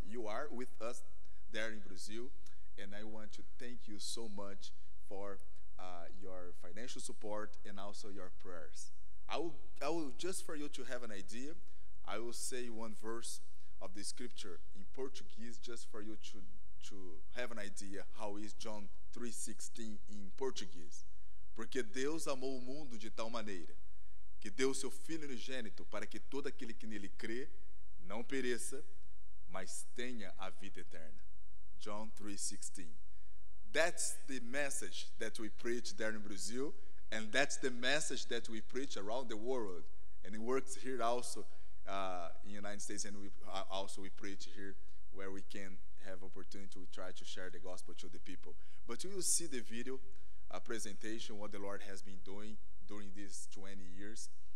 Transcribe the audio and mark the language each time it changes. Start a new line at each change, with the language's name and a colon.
English: You are with us there in Brazil. And I want to thank you so much for your financial support and also your prayers. I will just for you to have an idea, I will say one verse of the scripture in Portuguese just for you to have an idea how is John 3:16 in Portuguese.
Portuguese: Porque Deus amou o mundo de tal maneira que deu seu Filho unigênito para que todo aquele que nele crê não pereça, mas tenha a vida eterna.
English: John 3:16. That's the message that we preach there in Brazil, and that's the message that we preach around the world. And it works here also in the United States, and we preach here where we can have opportunity. We try to share the gospel to the people. But you will see the video, a presentation, what the Lord has been doing during these 20 years.